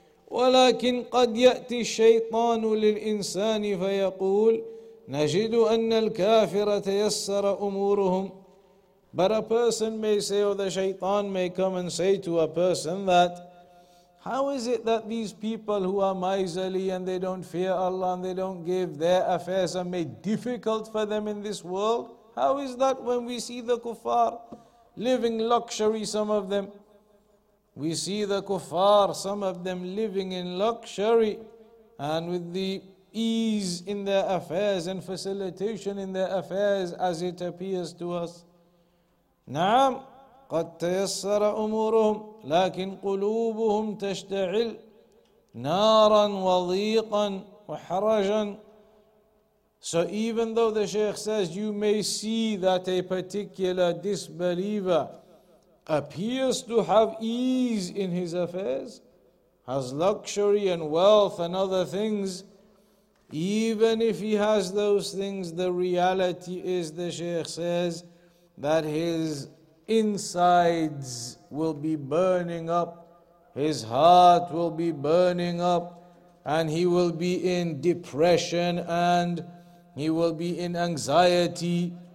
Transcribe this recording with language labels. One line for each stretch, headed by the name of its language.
Arabic: وَلَكِنْ قَدْ يَأْتِ الشَّيْطَانُ لِلْإِنسَانِ فَيَقُولُ نجد أن الكافر تيسر أمورهم.
English: But a person may say, or the shaitan may come and say to a person that, how is it that these people who are miserly and they don't fear Allah and they don't give, their affairs are made difficult for them in this world? How is that when we see the kuffar living luxury, some of them? We see the kuffar, some of them living in luxury and with the ease in their affairs and facilitation in their affairs as it appears to us.
Arabic: نعم قد تيسر أمورهم لكن قلوبهم تشتعل نارا وضيقا وحرجا.
English: So even though the Shaykh says you may see that a particular disbeliever appears to have ease in his affairs, has luxury and wealth and other things, even if he has those things, the reality is, the Shaykh says, that his insides will be burning up, his heart will be burning up, and he will be in depression and he will be in anxiety.